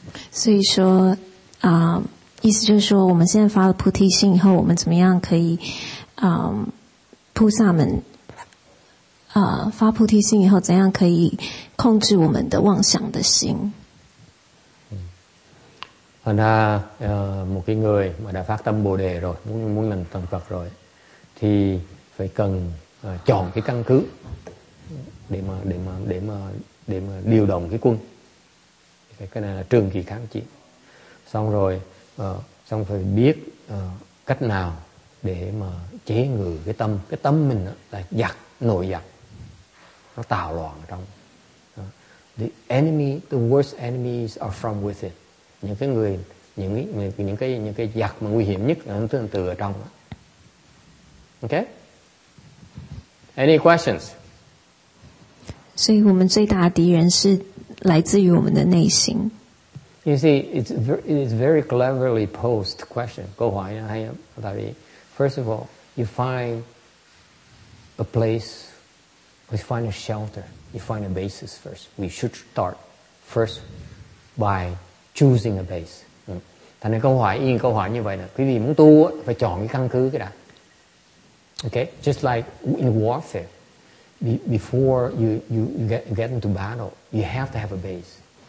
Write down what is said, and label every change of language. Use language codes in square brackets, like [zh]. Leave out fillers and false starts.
[zh] 所以说，意思就是说，我们现在发了菩提心以后，我们怎么样可以，菩萨们发菩提心以后，怎样可以控制我们的妄想的心？ [vi] Thành ra một cái người mà đã phát tâm Bồ Đề rồi, muốn làm tâm Phật rồi, thì phải cần chọn cái căn cứ để mà điều động cái quân. Cái này là trường kỳ kháng chiến. Xong rồi, xong phải biết cách nào để mà chế ngự cái tâm. Cái tâm mình là giặc, nội giặc. Nó tạo loạn trong. [en] The enemy, the worst enemies are from within. [vi] những cái giặc mà nguy hiểm nhất là từ ở trong. [en] Okay? Any questions? [zh] 所以我们最大的敌人是来自于我们的内心. [en] You see, it's very cleverly posed question. [zh] 各位还有, [en] first of all, you find a place, you find a shelter, you find a basis first. We should start first by choosing a base. [vi] Thành ra câu hỏi, yên câu hỏi như vậy nè. Quý vị muốn tu phải chọn cái căn cứ cái đã. [en] Okay, just like in warfare, before you get into battle, you have to have a base.